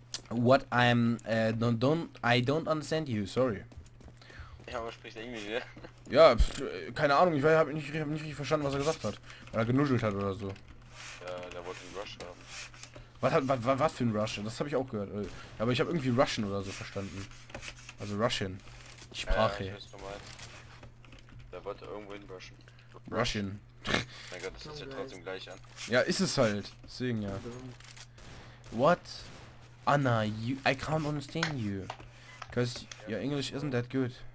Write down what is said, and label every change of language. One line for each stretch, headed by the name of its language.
English: What I'm don't understand you, sorry.
German: Ja, aber spricht er Englisch, ja? Ja, keine Ahnung, ich hab nicht richtig verstanden, was er gesagt hat. Weil er genuschelt hat oder so. Ja, der wollte einen Rush haben. Was für ein Rush? Das habe ich auch gehört. Aber ich habe irgendwie Russian oder so verstanden. Also Russian. Die Sprache. Ja, ich weiß, was du meinst. Der wollte irgendwo hin
English: Russian.
German: Mein Gott, das hört sich ja trotzdem gleich an. Ja, ist es halt. Deswegen ja.
English: What? Anna, I can't understand you. Because your English isn't that good.